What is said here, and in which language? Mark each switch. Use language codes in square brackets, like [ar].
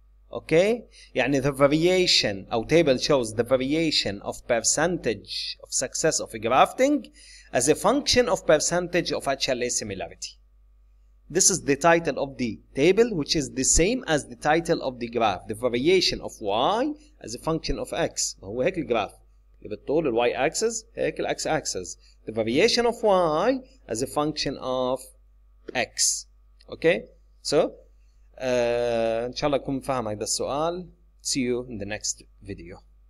[en] Okay, [ar] يعني [en] the variation, our table shows the variation of percentage of success of grafting as a function of percentage of HLA similarity. This is the title of the table, which is the same as the title of the graph. The variation of y as a function of x. [ar] هو هيك الجراف. بالطول ال y axis هيك ال x axis. [en] The variation of y as a function of x. Okay, so [ar] إن شاء الله أكون فاهم هذا السؤال. [en] See you in the next video.